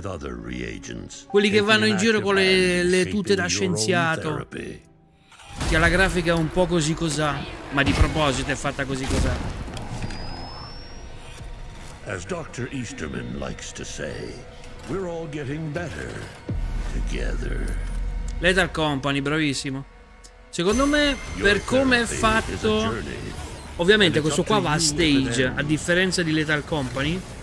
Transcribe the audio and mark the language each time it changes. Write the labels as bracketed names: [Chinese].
[Italian] Quelli che vanno in giro con le tute da scienziato, che ha la grafica un po' così cos'ha, ma di proposito è fatta così cos'ha. [English] As Dr. Easterman likes to say, we're all getting better. Together. [Italian] Lethal Company, bravissimo. Secondo me, per come è fatto, ovviamente questo qua va a stage, a differenza di Lethal Company.